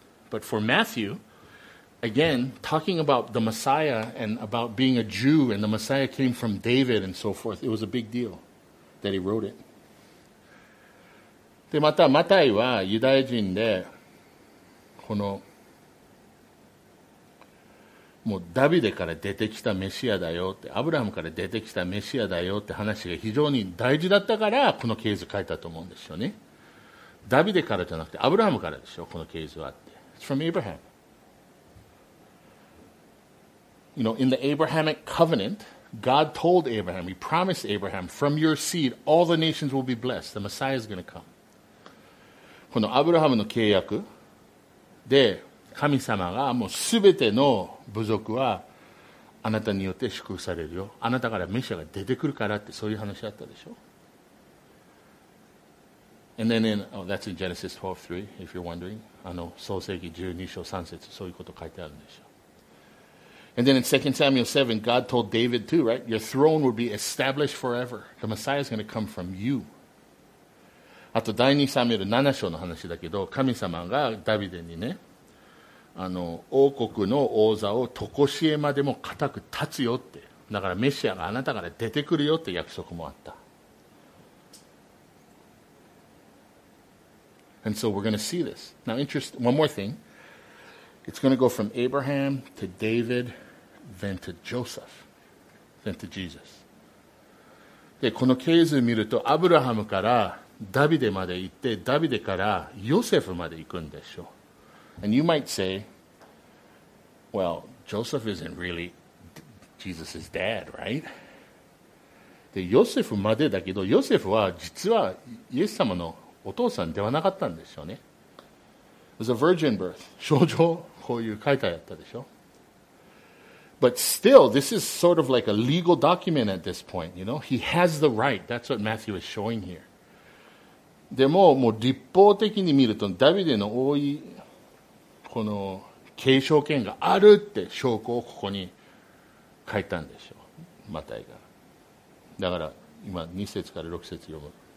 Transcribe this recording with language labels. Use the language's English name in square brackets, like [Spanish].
[English] But for Matthew, again, talking about the Messiah and about being a Jew and the Messiah came from David and so forth, it was a big deal that he wrote it. [Japanese] で、またマタイはユダヤ人で、このもうダビデから出てきたメシアだよって、アブラハムから出てきたメシアだよって話が非常に大事だったから、この系図書いたと思うんですよね。ダビデからじゃなくてアブラハムからでしょ、この系図はって。 [English] It's from Abraham. You know, in the Abrahamic covenant, God told Abraham, He promised Abraham, from your seed, all the nations will be blessed. The Messiah is going to come. [Japanese] このアブラハムの契約で、神様がもうすべての部族はあなたによって祝福されるよ。あなたからメシアが出てくるからって、そういう話だったでしょ。 [English] And then in, oh, that's in Genesis 12:3, if you're wondering. [Japanese] あの創世記12章3節、そういうこと書いてあるんでしょ。 [English] And then in 2 Samuel 7, God told David too, right? Your throne will be established forever. The Messiah is going to come from you. [Japanese] あと第2サミュエル7章の話だけど、神様がダビデにね、あの王国の王座をとこしえまでも固く立つよって、だからメシアがあなたから出てくるよって約束もあった。 [English] And so we're going to see this. Now, interest, one more thing. It's going to go from Abraham to David, then to Joseph, then to Jesus. [Japanese] で、この系図を見ると、アブラハムからダビデまで行って、ダビデからヨセフまで行くんでしょう。 [English] And you might say, well, Joseph isn't really Jesus' dad, right? [Japanese] で、ヨセフまでだけど、ヨセフは実はイエス様のお父さんではなかったんでしょうね。 [English] It was a virgin birth. [Japanese] 少女、こういう書いてあったでしょ。 [English] But still, this is sort of like a legal document at this point. You know, he has the right. That's what Matthew is showing here. [Japanese] でも、もう立法的に見ると、ダビデの多いこの継承権があるって証拠をここに書いたんでしょう。マタイが。だから、今、2節から6節読む。